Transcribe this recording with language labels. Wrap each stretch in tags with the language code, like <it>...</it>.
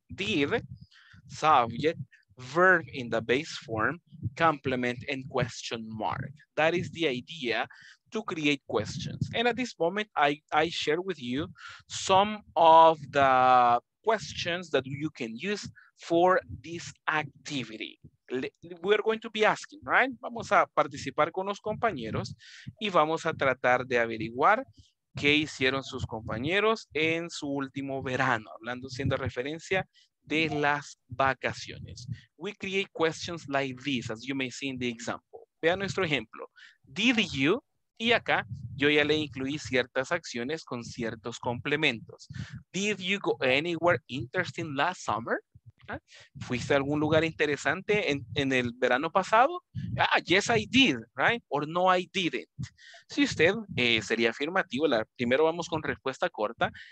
<en>Did, subject, verb in the base form, complement, and question mark. That is the idea to create questions. And at this moment, I share with you some of the questions that you can use for this activity. We're going to be asking, right?</en> <es>Vamos a participar con los compañeros y vamos a tratar de averiguar qué hicieron sus compañeros en su último verano, hablando siendo referencia de las vacaciones.</es> <en>We create questions like this, as you may see in the example.</en> <es>Vea nuestro ejemplo.</es> <en>Did you?</en> <es>Y acá yo ya le incluí ciertas acciones con ciertos complementos.</es> <en>Did you go anywhere interesting last summer?</en> <es>¿Fuiste a algún lugar interesante en el verano pasado?</es> <en>Ah, yes, I did, right? Or no, I didn't.</en> <es>Si usted sería afirmativo, primero vamos con respuesta corta.</es>